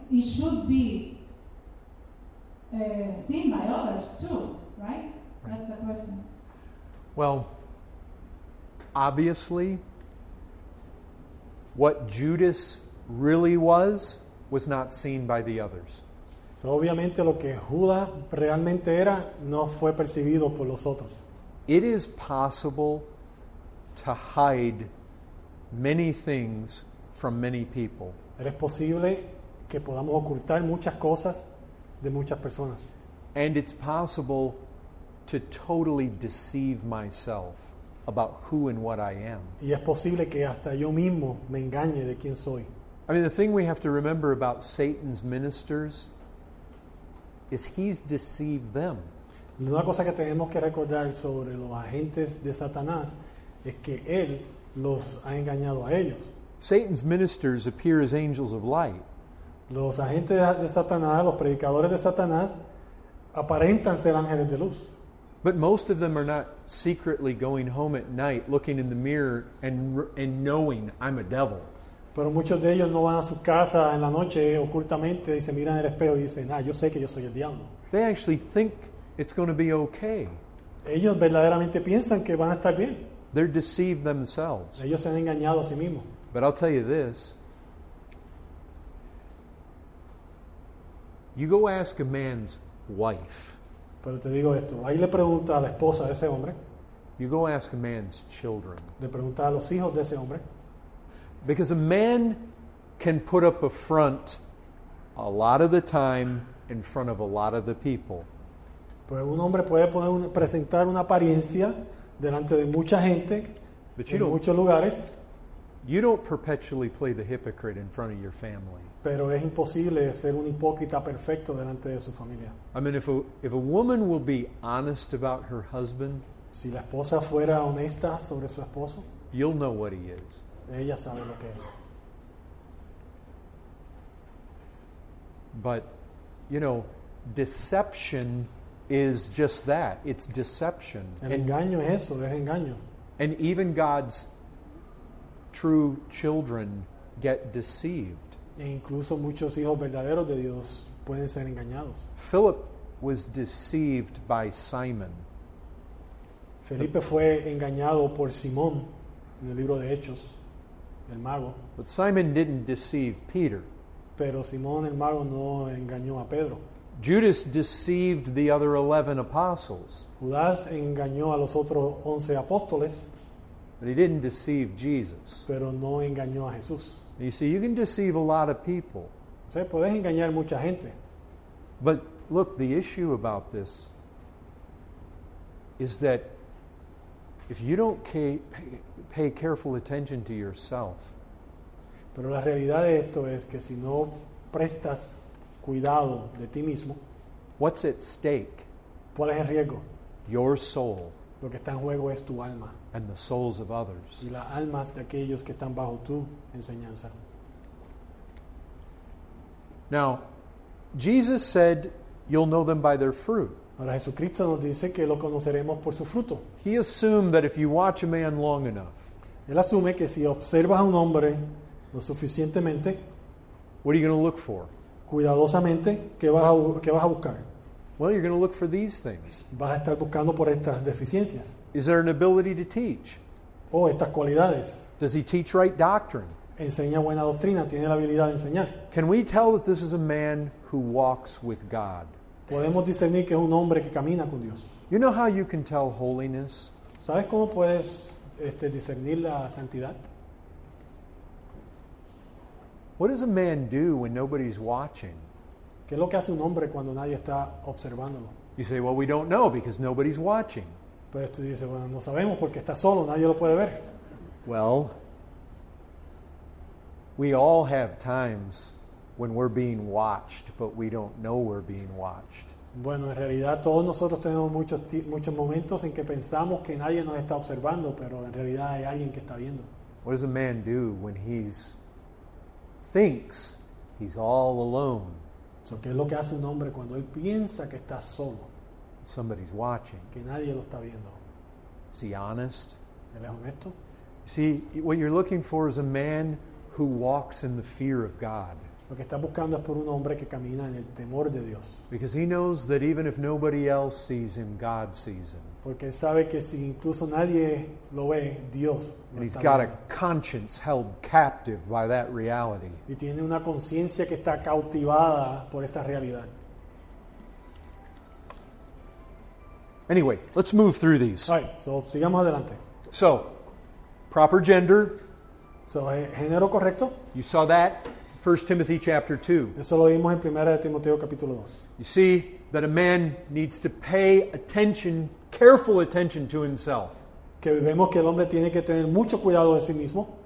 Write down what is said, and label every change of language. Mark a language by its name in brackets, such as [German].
[English] It should be seen by others too, right? That's the question. Well, obviously, what Judas really was not seen by the others. [Spanish] So obviamente lo que Judas realmente era no fue percibido por los otros. [English] It is possible to hide many things from many people. [Spanish] Es posible que podamos ocultar muchas cosas de muchas personas. [English] And it's possible to totally deceive myself about who and what I am. [Spanish] Y es posible que hasta yo mismo me engañe de quién soy. [English] I mean, the thing we have to remember about Satan's ministers is he's deceived them. [Spanish] Una cosa que tenemos que recordar sobre los agentes de Satanás es que él los ha engañado a ellos. [English] Satan's ministers appear as angels of light. [Spanish] Los agentes de Satanás, los predicadores de Satanás, aparentan ser ángeles de luz. [English] But most of them are not secretly going home at night, looking in the mirror and knowing I'm a devil. [Spanish] Pero muchos de ellos no van a su casa en la noche ocultamente y se miran en el espejo y dicen, ah, yo sé que yo soy el diablo. [English] They actually think it's going to be okay. [Spanish] Ellos verdaderamente piensan que van a estar bien. [English] They're deceived themselves. [Spanish] Ellos se han engañado a sí mismos. [English] But I'll tell you this. You go ask a man's wife. [Spanish] Pero te digo esto. Ahí le pregunta a la esposa de ese hombre. [English] You go ask a man's children. [Spanish] Le pregunta a los hijos de ese hombre. [English] Because a man can put up a front a lot of the time in front of a lot of the people. [Spanish] Pues un hombre puede presentar una apariencia delante de mucha gente en muchos lugares. [English] You don't perpetually play the hypocrite in front of your family. [Spanish] Pero es imposible ser un hipócrita perfecto delante de su familia. [English] I mean, if a woman will be honest about her husband, [Spanish] si la esposa fuera honesta sobre su esposo, [English] you'll know what he is. [Spanish] Ella sabe lo que es. [English] But, you know, deception is just that. It's deception. [Spanish] El engaño es eso, es engaño. [English] And even God's true children get deceived. [Spanish] E incluso muchos hijos verdaderos de Dios pueden ser engañados. [English] Philip was deceived by Simon. [Spanish] Felipe fue engañado por Simón en el libro de Hechos, el mago. [English] But Simon didn't deceive Peter. [Spanish] Pero Simón el mago no engañó a Pedro. [English] Judas deceived the other 11 apostles. [Spanish] Judas engañó a los otros 11 apóstoles. [English] But he didn't deceive Jesus. [Spanish] Pero no engañó a Jesús. [English] You see, you can deceive a lot of people. [Spanish] O sea, puedes engañar mucha gente. [English] But look, the issue about this is that if you don't pay careful attention to yourself, [Spanish] pero la realidad de esto es que si no prestas cuidado de ti mismo, [English] what's at stake? [Spanish] ¿Cuál es el riesgo? [English] Your soul. [Spanish] Lo que está en juego es tu alma. [English] And the souls of others. [Spanish] Y las almas de aquellos que están bajo tu enseñanza. [English] Now, Jesus said, you'll know them by their fruit. [Spanish] Ahora Jesucristo nos dice que lo conoceremos por su fruto. [English] He assumed that if you watch a man long enough, [Spanish] él asume que si observas a un hombre lo suficientemente, [English] what are you going to look for? [Spanish] Cuidadosamente, ¿qué vas a buscar? [English] Well, you're going to look for these things. [Spanish] Vas a estar buscando por estas deficiencias. [English] Is there an ability to teach? [Spanish] Oh, estas cualidades. [English] Does he teach right doctrine? [Spanish] Enseña buena doctrina, tiene la habilidad de enseñar. [English] Can we tell that this is a man who walks with God? [Spanish] Podemos discernir que es un hombre que camina con Dios. [English] You know how you can tell holiness? [Spanish] ¿Sabes cómo puedes discernir la santidad? [English] What does a man do when nobody's watching? [Spanish] ¿Qué es lo que hace un hombre cuando nadie está observándolo? [English] You say, well, we don't know because nobody's watching. [Spanish] Pero tú dices, bueno, no sabemos porque está solo, nadie lo puede ver. [English] Well, we all have times when we're being watched, but we don't know we're being watched. [Spanish] Bueno, en realidad todos nosotros tenemos muchos momentos en que pensamos que nadie nos está observando, pero en realidad hay alguien que está viendo. [English] What does a man do when thinks he's all alone? [Spanish] So, ¿qué es lo que hace un hombre cuando él piensa que está solo? [English] Somebody's watching. [Spanish] Que nadie lo está viendo. [English] Is he honest? [Spanish] ¿Él es honesto? [English] See, what you're looking for is a man who walks in the fear of God. [Spanish] Lo que está buscando es por un hombre que camina en el temor de Dios. [English] Because he knows that even if nobody else sees him, God sees him. [Spanish] Porque él sabe que si incluso nadie lo ve, Dios lo está viendo. [English] He's got a conscience held captive by that reality. [Spanish] Y tiene una conciencia que está cautivada por esa realidad. [English] Anyway, let's move through these. All right, so [Spanish] sigamos adelante. [English] So, proper gender. [Spanish] So, género correcto. [English] You saw that, 1 Timothy chapter 2. [Spanish] Eso lo vimos en 1 Timoteo capítulo 2. [English] You see that a man needs to pay attention, careful attention to himself. Que vemos que el hombre tiene que tener mucho cuidado de sí mismo.